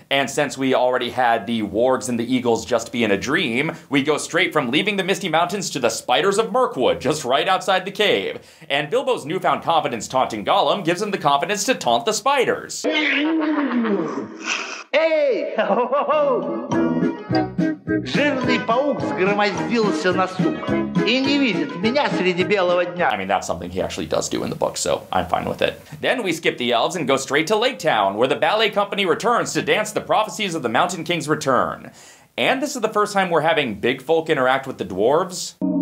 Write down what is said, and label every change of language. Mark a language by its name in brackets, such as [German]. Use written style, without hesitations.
[English] And since we already had the wargs and the eagles just be in a dream, we go straight from leaving the Misty Mountains to the spiders of Mirkwood, just right outside the cave. And Bilbo's newfound confidence taunting Gollum gives him the confidence to taunt the spiders. Hey! [Russian] Жирный паук сгромоздился на сук и не видит меня среди белого дня. [English] I mean, that's something he actually does do in the book, so I'm fine with it. Then we skip the elves and go straight to Lake Town, where the ballet company returns to dance the prophecies of the Mountain King's return. And this is the first time we're having big folk interact with the dwarves.